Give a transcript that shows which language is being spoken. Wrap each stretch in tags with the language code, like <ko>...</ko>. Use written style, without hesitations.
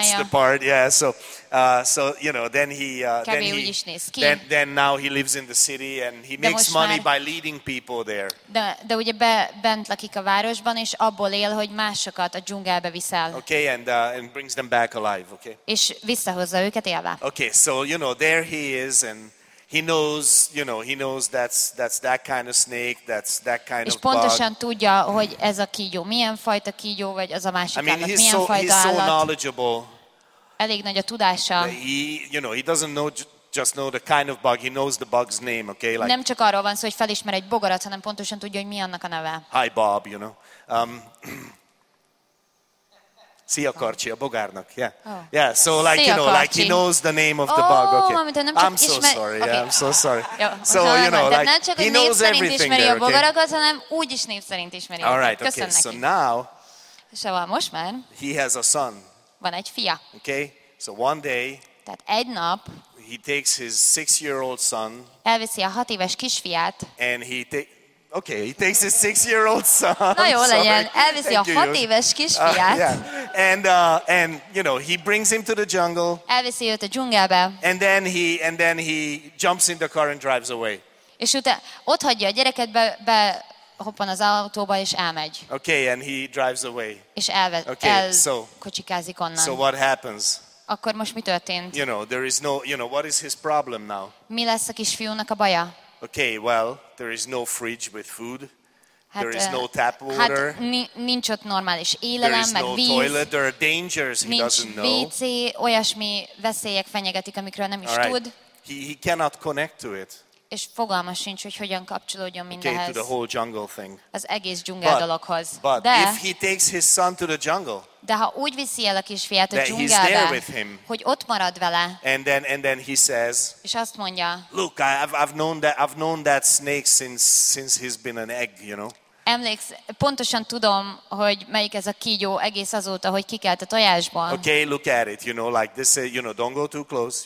<en>He looks the part, yeah. So you know, then now he lives in the city and he makes money by leading people there.</en> <hu>De ugye bent lakik a városban, és abból él, hogy másokat a dzsungelbe viszel.</hu> <en>Okay, and brings them back alive, okay?</en> <hu>És visszahozza őket élve.</hu> <en>Okay, so you know, there he is and he knows, you know, he knows that's that kind of snake, that's that kind</en> <hu>és</hu> <en>of bug.</en> <hu>És pontosan tudja, hogy ez a kígyó, milyen fajta kígyó vagy az a másik állat, milyen fajta állat.</hu> <en>I mean, he's so knowledgeable.</en> <hu>Elég nagy a tudása.</hu> <en>He, you know, he doesn't know just know the kind of bug, he knows the bug's name, okay?</en> <hu>Like, nem csak arról van szó, hogy felismer egy bogarat, hanem pontosan tudja, hogy mi annak a neve.</hu> <en>Hi Bob, you know.</en> <hu>Szia Karcsi, a bogárnak, yeah.</hu> <en>Oh. Yeah, so like,</en> <hu>szia,</hu> <en>you know,</en> <hu>Karcsi.</hu> <en>Like he knows the name of the oh, bug, okay. I'm so sorry, yeah, I'm so sorry. So, you know, like, he knows everything there, okay?</en> <hu>Nem csak a név szerint ismeri a bogarakat, hanem úgy is név szerint ismeri.</hu> <en>All right, okay, so now,</en> <hu>most már,</hu> <en>he has a son.</en> <hu>Van egy fia.</hu> <en>Okay, so one day,</en> <hu>tehát egy nap,</hu> <en>he takes his 6-year-old son,</en> <hu>elviszi a 6 éves kisfiát,</hu> <en>and he takes his 6-year-old son.</en> <hu>Na jó legyen, elviszi a 6 éves kisfiát.</hu> <en>And you know, he brings him to the jungle.</en> <hu>Elviszi őt a dzsungelbe.</hu> <en>And then he jumps in the car and drives away.</en> <hu>És utána ott hagyja a gyereket, hoppan az autóba és elmegy.</hu> <en>Okay, and he drives away.</en> <hu>És elvezet, kocsikázik onnan.</hu> <en>So what happens?</en> <hu>Akkor most mi történt?</hu> <en>You know, there is no, you know, what is his problem now?</en> <hu>Mi lesz a kisfiúnak a baja?</hu> <en>Okay, well, there is no fridge with food. Hát, there is no tap water.</en> <hu>Hát nincs ott normális élelem, meg víz.</hu> <en>There is no toilet. There are dangers he doesn't know.</en> <hu>Nincs WC, olyasmi veszélyek fenyegetik, amikről nem is tud.</hu> <en>He cannot connect to it.</en> <hu>és fogalma sincs, hogy hogyan kapcsolódjon mindehhez.</hu> <en>Okay, to the whole jungle thing.</en> <hu>Az egész dzsungel dologhoz.</hu> <en>But</en> <hu>de,</hu> <en>if he takes his son to the jungle,</en> <hu>de ha úgy viszi el a kisfiát a dzsungelbe, hogy ott marad vele,</hu> <en>and then he says,</en> <hu>és azt mondja,</hu> <en>look, I've known that snake since he's been an egg, you know.</en> <hu>Emléksz, pontosan tudom, hogy melyik ez a kígyó egész azóta, hogy kikelt a tojásban.</hu> <en>Okay, look at it, you know, like this, you know, don't go too close.</en>